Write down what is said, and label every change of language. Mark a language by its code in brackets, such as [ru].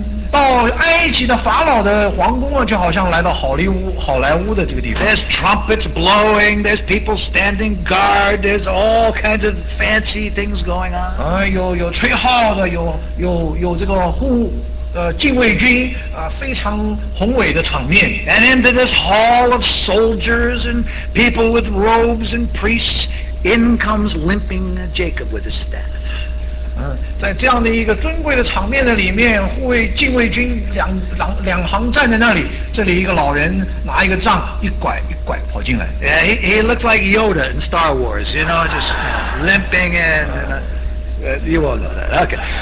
[zh] 到埃及的法老的皇宫啊，就好像来到好莱坞的这个地方。 [en] There's trumpets blowing, there's people standing guard, there's all kinds of fancy things going on. [zh] 有吹号的，有这个禁卫军啊，非常宏伟的场面。 [en] And into this hall of soldiers and people with robes and priests, in comes limping Jacob with his staff. [zh] 在这样的一个尊贵的场面的里面，护卫禁卫军两行站在那里，这里一个老人拿一个杖，一拐一拐跑进来。 [en] Yeah, he looks like Yoda in Star Wars, you know, just limping in. You all know that, okay.